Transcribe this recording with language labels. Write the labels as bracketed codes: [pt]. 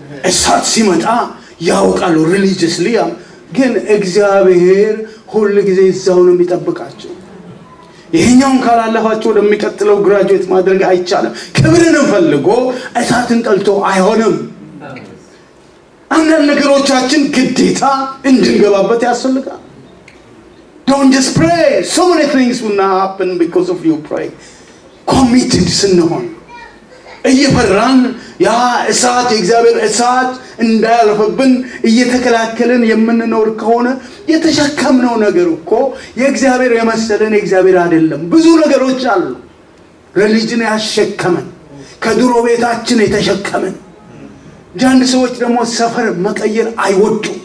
[am] እሳት ሲመጣ ያውቃሉ religiously ያ። ግን እግዚአብሔር ሁሉ ጊዜ እሳው ነው የሚጠብቃቸው። ይሄኛውን ካላለፋቸው ለሚቀጥለው ግራጁዌት ማድረግ አይቻለም። ክብርንም ፈልጎ እሳትን ጠልቶ አይሆንም። አንዳንድ ነገሮቻችን ግዴታ እንድንገባበት ያስፈልጋል። [en] Don't just pray. So many things will not happen because of you pray. [am] Committed ስንሆን እየፈራን ያ እሳት የእግዚአብሔር እሳት እንዳያልፍብን እየተከላከልን የምንኖር ከሆነ የተሸከምነው ነገር እኮ የእግዚአብሔር የመሰለን የእግዚአብሔር አይደለም። ብዙ ነገሮች አሉ። ሪሊጅን ያሸከመን፣ ከድሮ ቤታችን የተሸከመን። ጃንድ ሰዎች ደግሞ ሰፈር መቀየር አይወዱ።